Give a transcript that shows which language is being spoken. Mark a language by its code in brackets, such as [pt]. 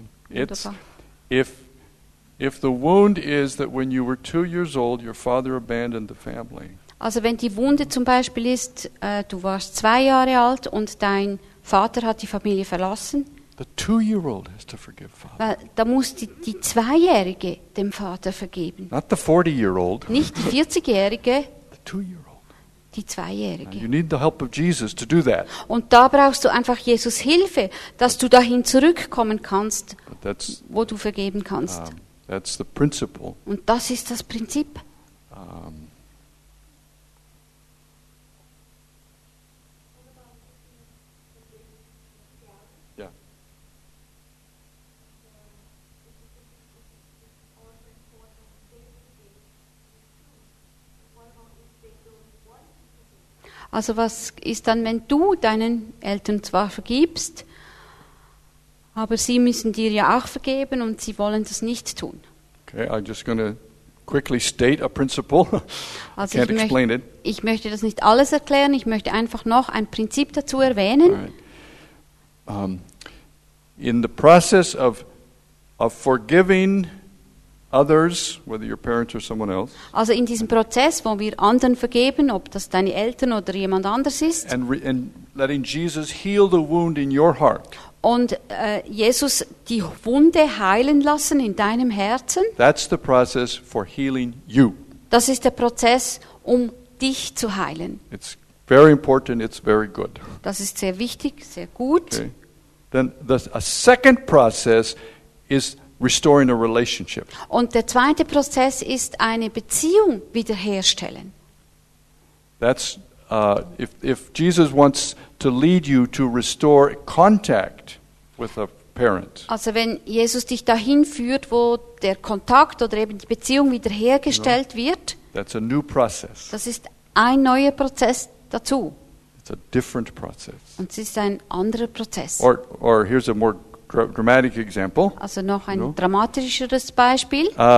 [en] it's if the wound is that when you were 2 years old, your father abandoned the family. [de] Also, wenn die Wunde zum Beispiel ist, du warst 2 Jahre alt und dein Vater hat die Familie verlassen. [en] The 2-year-old has to forgive father. [de] Weil da muss die 2-jährige dem Vater vergeben. [en] Not the 40-year-old. [de] Nicht die 40-jährige. [en] The 2-year-old. [de] Die 2-jährige. [en] And you need the help of Jesus to do that. [de] Und da brauchst du einfach Jesus Hilfe, dass du dahin zurückkommen kannst, wo du vergeben kannst. [en] That's the principle. [de] Und das ist das Prinzip. Also was ist dann, wenn du deinen Eltern zwar vergibst, aber sie müssen dir ja auch vergeben und sie wollen das nicht tun. [en] Okay, I'm just going to quickly state a principle. [de] Also ich möchte das nicht alles erklären, ich möchte einfach noch ein Prinzip dazu erwähnen. [en] In the process of forgiving others, whether your parents or someone else. [de] Also in diesem Prozess, wo wir anderen vergeben, ob das deine Eltern oder jemand anders ist. [en] And letting Jesus heal the wound in your heart. [de] Und Jesus die Wunde heilen lassen in deinem Herzen. [en] That's the process for healing you. [de] Das ist der Prozess, um dich zu heilen. [en] It's very important. It's very good. [de] Das ist sehr wichtig, sehr gut. [en] Okay. Then a second process is restoring a relationship. [de] Und der zweite Prozess ist eine Beziehung wiederherstellen. [en] That's if Jesus wants to lead you to restore contact with a parent. [de] Also wenn Jesus dich dahin führt, wo der Kontakt oder eben die Beziehung wiederhergestellt wird. [en] That's a new process. [de] Das ist ein neuer Prozess dazu. [en] It's a different process. [de] Und es ist ein anderer Prozess. [en] Or here's a more dramatic example. [de] Also noch ein dramatischeres Beispiel.